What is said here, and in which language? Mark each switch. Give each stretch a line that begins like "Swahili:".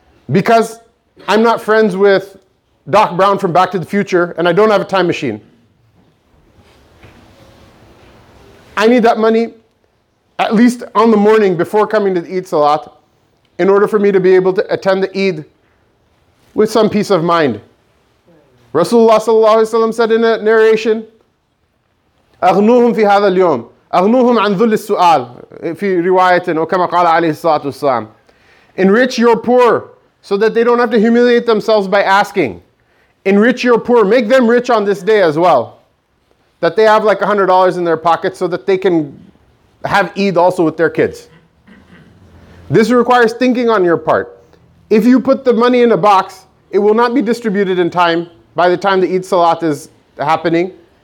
English: Because I'm not friends with Doc Brown from Back to the Future and I don't have a time machine. I need that money at least on the morning before coming to the Eid Salat in order for me to be able to attend the Eid with some peace of mind. Rasulullah sallallahu alaihi wasallam said in a narration,
Arabic: أغنوهم في هذا اليوم أغنوهم عن ذل السؤال في رواية وكما قال عليه الصلاة والسلام.
English: Enrich your poor so that they don't have to humiliate themselves by asking. Enrich your poor. Make them rich on this day as well. That they have like $100 in their pocket so that they can have Eid also with their kids. This requires thinking on your part. If you put the money in a box, it will not be distributed in time by the time the Eid Salat is happening.